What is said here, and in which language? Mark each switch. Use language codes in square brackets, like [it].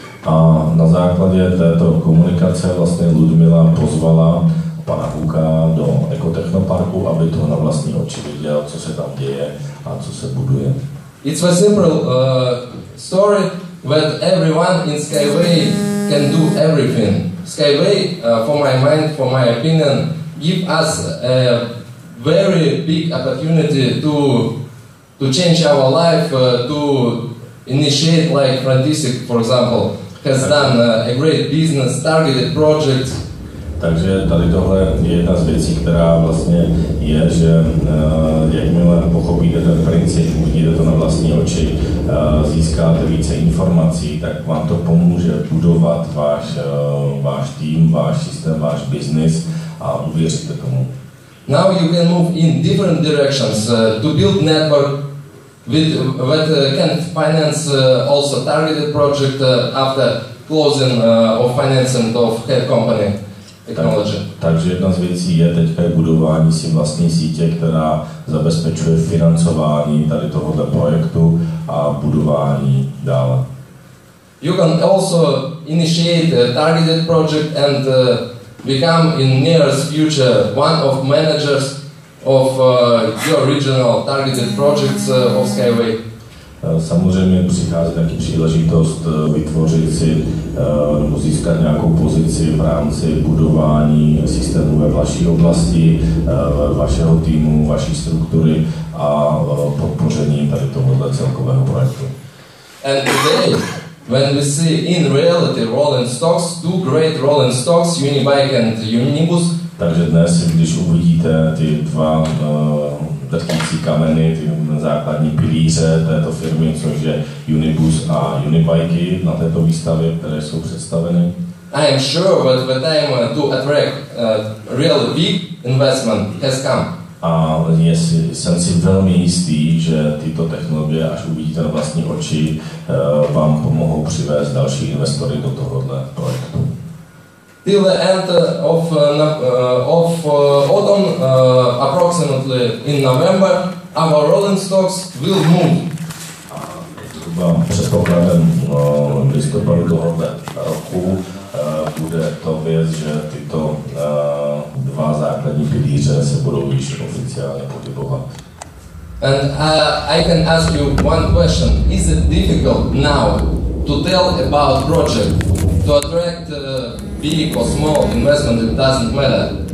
[cs] A na základě této komunikace vlastně Ludmila pozvala pana Hooka do Ekotechnoparku, aby to na vlastní oči viděl, co se tam děje a co se buduje. [en] It's a simple story that everyone in Skyway can do everything. Skyway, for my mind, for my opinion, give us a very big opportunity to change our life, to initiate like Frantisic, for example, has done a great business, targeted projects. [cs] Takže tady tohle je jedna z věcí, která vlastně je, že jakmile pochopíte ten princip, uvidíte to na vlastní oči, získáte více informací, tak vám to pomůže budovat váš tým, váš systém, váš biznis a uvěříte tomu. [en] Now you can move in different directions to build network with that can finance also targeted project after closing of financing of head company. [cs] Takže jedna z věcí je teďka budování si vlastní sítě, která zabezpečuje financování tady tohoto projektu a budování dále. [en] You can also initiate a targeted project and become in nearest future one of managers of your regional targeted projects of Skyway. [cs] Samozřejmě přichází taky příležitost vytvořit si nebo získat nějakou pozici v rámci budování systému ve vaší oblasti, vašeho týmu, vaší struktury a podpoření tady tohoto celkového projektu. [en] And today, when we see in reality rolling stocks, two great rolling stocks, Unibike and Unibus. [cs] Takže dnes, když uvidíte ty dva drtící kameny, ty základní pilíře této firmy, což je Unibus a Unibike na této výstavě, které jsou představeny. [en] I am sure that the time to attract real big investment has come. [cs] A jsem si velmi jistý, že tyto technologie, až uvidíte na vlastní oči, vám pomohou přivést další investory do tohoto projektu. [en] Till the end of autumn, approximately in November, our rolling stocks will move. [cs] Předpokladem listopadu tohoto roku bude to věc, že tyto dva základní pilíře se budou již oficiálně pohybovat. [en] And I can ask you one question. Is it difficult now to tell about project to attract big or small investment, it doesn't matter.